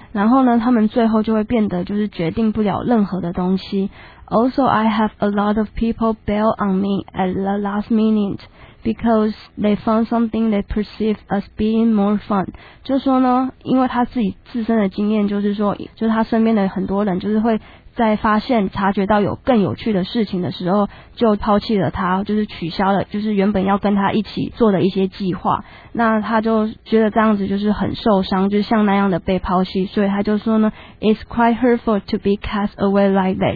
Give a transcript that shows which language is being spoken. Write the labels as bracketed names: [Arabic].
[Chinese] 然后呢，他们最后就会变得就是决定不了任何的东西。 [English] Also, I have a lot of people bail on me at the last minute. Because they found something they perceive as being more fun. [Chinese] 就说呢，因为他自己自身的经验，就是说，就是他身边的很多人，就是会在发现、察觉到有更有趣的事情的时候，就抛弃了他，就是取消了，就是原本要跟他一起做的一些计划。那他就觉得这样子就是很受伤，就像那样的被抛弃，所以他就说呢 ， [English] It's quite hurtful to be cast away like that.